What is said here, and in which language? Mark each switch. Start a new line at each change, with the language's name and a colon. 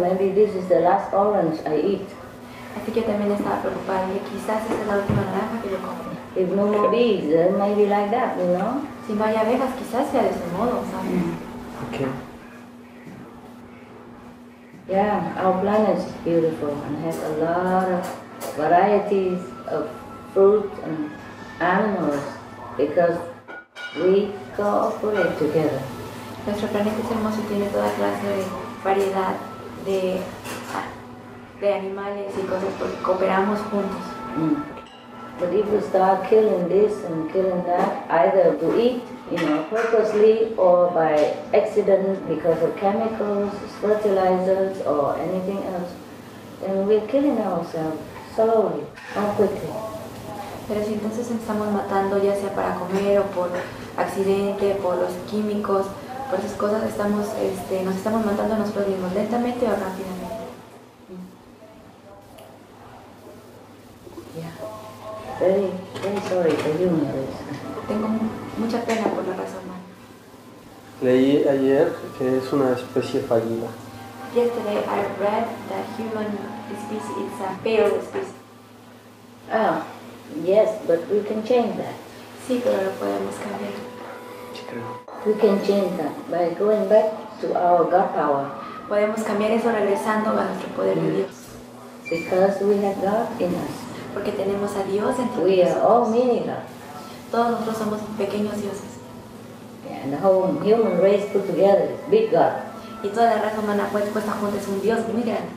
English: Maybe this is the last orange I eat.
Spanish: Así que también estaba preocupada. Y quizás esa es la última naranja que yo compré.
English: If no more bees, then maybe like that, you know?
Spanish: Si no hay abejas, quizás sea de ese modo, ¿sabes?
English: Okay. Yeah, our planet is beautiful and has a lot of varieties of fruit and animals because we cooperate together.
Spanish: Nuestro planeta es hermoso y tiene toda clase de variedad de animales y cosas porque cooperamos juntos. Mm.
English: But if we start killing this and killing that, either to eat, you know, purposely or by accident because of chemicals, fertilizers, or anything else, then we're killing ourselves slowly, not quickly.
Spanish: Pero si entonces estamos matando ya sea para comer o por accidente, por los químicos, por esas cosas, estamos, nos estamos matando nosotros mismos lentamente o rápidamente.
English: Very, very sorry for you, Marisa.
Spanish: Tengo mucha pena por la raza humana. Leí ayer que es una especie fallida.
English: Yesterday I read that human species is a failed species. Oh, yes, but we can change that.
Spanish: Sí, pero lo podemos cambiar. Creo.
English: We can change that by going back to our God power.
Spanish: Podemos cambiar eso regresando a nuestro poder de Dios.
English: Because we have God in us.
Spanish: Porque tenemos a Dios entre nosotros.
English: We are all mini gods.
Spanish: Todos nosotros somos pequeños dioses.
English: Yeah, and the whole human race put together is big God.
Spanish: Y toda la raza humana puesta junta es un Dios muy grande.